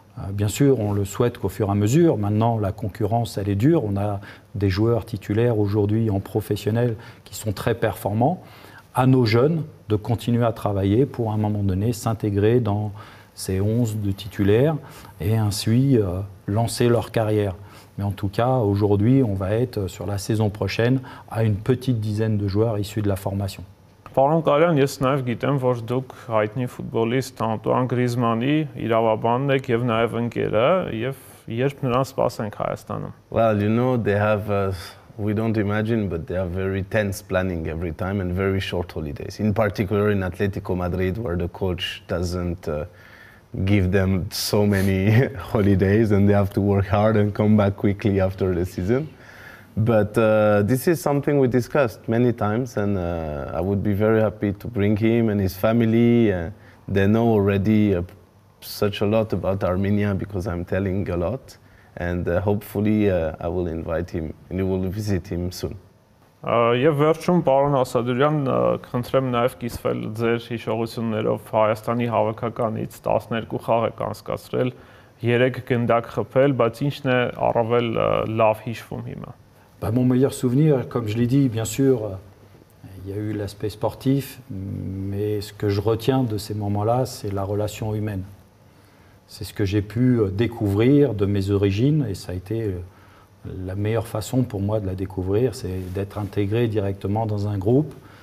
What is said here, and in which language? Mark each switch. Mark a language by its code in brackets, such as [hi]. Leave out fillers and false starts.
[fr] Bien sûr, on le souhaite qu'au fur et à mesure, maintenant la concurrence elle est dure, on a des joueurs titulaires aujourd'hui en professionnel qui sont très performants, à nos jeunes de continuer à travailler pour à un moment donné s'intégrer dans ces 11 de titulaires et ainsi lancer leur carrière. Mais en tout cas, aujourd'hui, on va être sur la saison prochaine à une petite dizaine de joueurs issus de la formation. [hy] Պարոն Կարյան, ես նաև գիտեմ, որ դուք հայտնի ֆուտբոլիստ Անտուան Գրիզմանի իրավաբանն եք եւ նաեւ ընկերը, եւ երբ նրան սպասենք Հայաստանում։ [en] Well, you know, they have we don't imagine, but they have very tense planning every time and very short holidays. In particular in Atletico Madrid where the coach doesn't give them so many holidays and they have to work hard and come back quickly after the season. But this is something we discussed many times, and I would be very happy to bring him and his family. They know already such a lot about Armenia because I'm telling a lot, and hopefully I will invite him and you will visit him soon. [hy] Եվ վերջում, պարոն Ասադուրյան, խնդրեմ նաև կիսվել ձեր հիշողություններով Հայաստանի հավաքականից 12 խաղ եք անցկացրել, 3 գնդակ խփել, բայց ինչն է առավել լավ հիշվում հիմա? [fr] Mon meilleur souvenir, comme je l'ai dit, bien sûr, il y a eu l'aspect sportif, mais ce que je retiens de ces moments-là, c'est la relation humaine. C'est ce que j'ai pu découvrir de mes origines, et ça a été la meilleure façon pour moi de la découvrir, c'est d'être intégré directement dans un groupe.